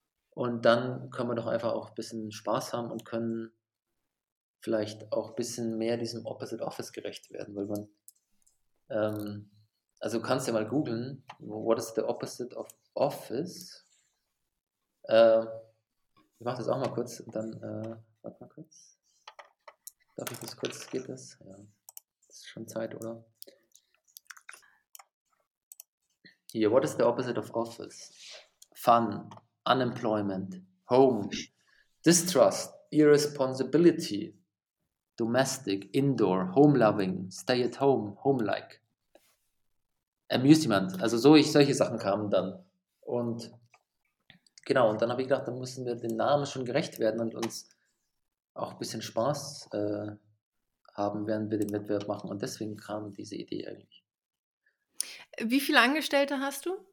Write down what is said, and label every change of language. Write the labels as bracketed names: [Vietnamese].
[German] Und dann können wir doch einfach auch ein bisschen Spaß haben und können vielleicht auch ein bisschen mehr diesem Opposite Office gerecht werden, weil man, also kannst du ja mal googeln, [English] what is the opposite of office? [German] Ich mach das auch mal kurz und dann, warte mal kurz. Darf ich das kurz, geht das? Ja, das ist schon Zeit, oder? Hier, [English] what is the opposite of office? Fun, unemployment, home, distrust, irresponsibility, domestic, indoor, home loving, stay at home, home like, amusement. [German] Also solche Sachen kamen dann. Und genau, und dann habe ich gedacht, da müssen wir den Namen schon gerecht werden und uns auch ein bisschen Spaß haben, während wir den Wettbewerb machen. Und deswegen kam diese Idee eigentlich. Wie viele Angestellte hast du?